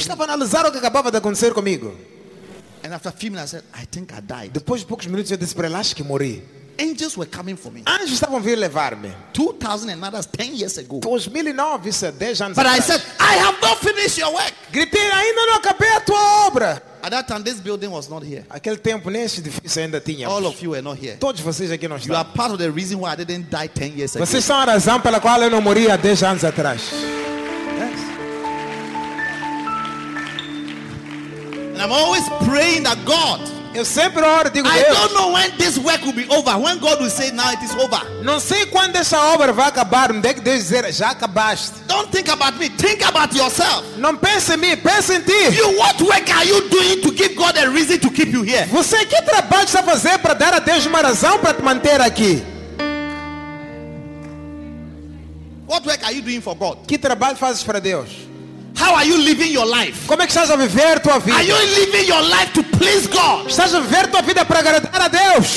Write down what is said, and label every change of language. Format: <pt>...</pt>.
<pt>Eu estava a analisar o que acabava de acontecer comigo.</pt> <en>And after a few minutes, I said, "I think I died."</en> <pt>Depois de poucos minutos, eu disse para ela, acho que morri.</pt> <en>Angels were coming for me.</en> <pt>Anjos estavam vindo levar-me.</pt> <en>2009, 10 years ago.</en> <pt>2009, isso é 10 anos.</pt> <en>But I said, "I have not finished your work."</en> <pt>Gritei, ainda não acabei a tua obra.</pt> <en>At that time, this building was not here.</en> <pt>Aquele tempo, nem esse edifício ainda tinha.</pt> <en>All of you were not here.</en> <pt>Todos vocês aqui não estavam.</pt> <en>You are part of the reason why I didn't die 10 years ago.</en> <pt>Vocês são a razão pela qual eu não morri há 10 anos atrás.</pt> <en>And I'm always praying that God.</en> <pt>Eu sempre oro, digo,</pt> <en>I don't know when this work will be over. When God will say, "Now it is over."</en> <pt>Não sei quando essa obra vai acabar. Onde é que Deus dizer, já acabaste?</pt> <en>Don't think about me. Think about yourself.</en> <pt>Não pense em mim. Pense em ti.</pt> <en>You, what work are you doing to give God a reason to keep you here?</en> <pt>Você que trabalho está a fazer para dar a Deus uma razão para te manter aqui?</pt> <en>What work are you doing for God?</en> <pt>Que trabalho fazes para Deus?</pt> <en>How are you living your life?</en> <pt>Como é que estás a viver tua vida?</pt> <en>Are you living your life to please God?</en> <pt>Estás a viver tua vida para agradar a Deus?</pt>